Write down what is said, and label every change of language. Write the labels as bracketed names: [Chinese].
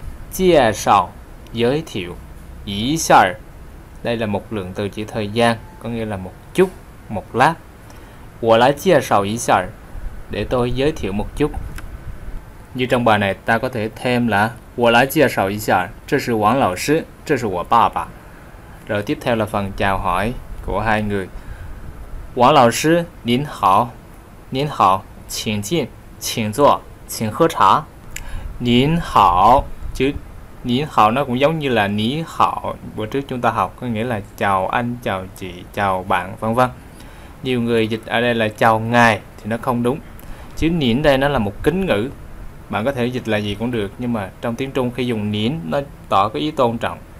[Vietnamese] 介绍, giới thiệu, 一下, đây là một lượng từ chỉ thời gian, có nghĩa là một chút, một lát. [Chinese] 我来介绍一下, [Vietnamese] để tôi giới thiệu một chút. Như trong bài này ta có thể thêm là [Chinese] 我来介绍一下, 这是王老师, 这是我爸爸. [Vietnamese] Rồi tiếp theo là phần chào hỏi của hai người. [Chinese] 王老师, 您好, 您好, 请进, 请坐, 请喝茶. [Vietnamese] 您好, chứ 您好 nó cũng giống như là 你好, bữa trước chúng ta học có nghĩa là chào anh, chào chị, chào bạn, vân vân. Nhiều người dịch ở đây là chào ngài thì nó không đúng. Chứ 您 đây nó là một kính ngữ, bạn có thể dịch là gì cũng được, nhưng mà trong tiếng Trung khi dùng nín nó tỏ cái ý tôn trọng.